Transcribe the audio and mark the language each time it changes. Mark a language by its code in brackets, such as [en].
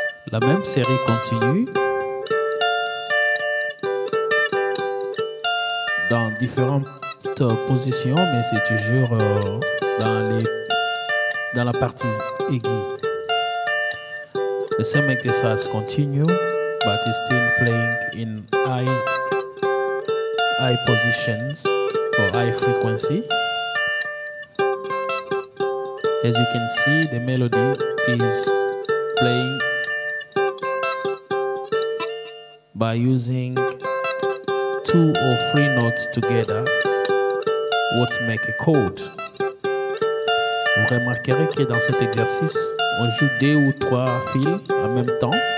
[fr] La même série continue dans différents position, mais c'est toujours dans la partie aiguë. [en] The same exercise continue, but it's still playing in high positions or high frequency. As you can see, the melody is playing by using two or three notes together. What make a chord? [fr] Vous remarquerez que dans cet exercice, on joue deux ou trois fils en même temps.